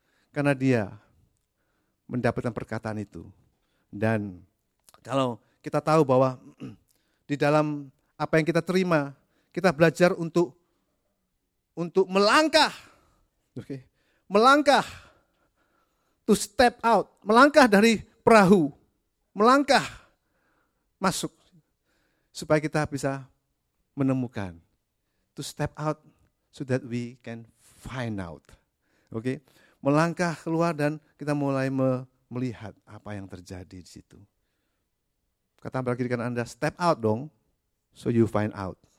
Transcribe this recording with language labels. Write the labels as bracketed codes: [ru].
[id] Karena dia mendapatkan perkataan itu. Dan kalau kita tahu bahwa di dalam apa yang kita terima, kita belajar untuk melangkah. [en] Okay. [id] Melangkah. [en] To step out. [id] Melangkah dari perahu. Melangkah. Masuk. Supaya kita bisa menemukan. [en] To step out so that we can find out. Okay. [id] Melangkah keluar dan kita mulai melihat apa yang terjadi di situ. Kata bagi rekan Anda, [en] step out dong, so you find out.